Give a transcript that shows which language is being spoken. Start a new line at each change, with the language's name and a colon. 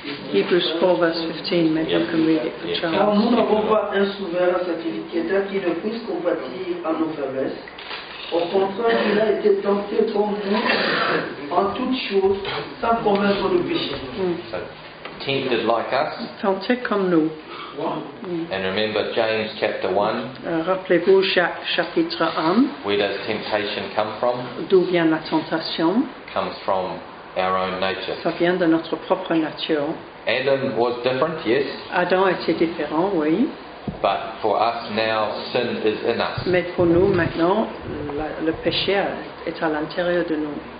English: Hebrews 4, verse 15, maybe you can read it for Charles.
French: Car nous n'avons pas un souverain sacrificateur qui ne puisse compatir à nos faiblesses. Au contraire, il a été tenté comme nous en toutes choses, sans commettre le péché.
English: Tempted like us.
French: Tenté comme nous.
English: And remember James chapter 1.
French: Rappelez-vous chapitre 1.
English: Where does temptation come from?
French: D'où vient la tentation?
English: Comes from our own nature.
French: Ça vient de notre propre nature.
English: Adam was different, yes.
French: Adam était différent, oui.
English: But for us now, sin is in us.
French: Mais pour nous maintenant, le péché est à l'intérieur de nous.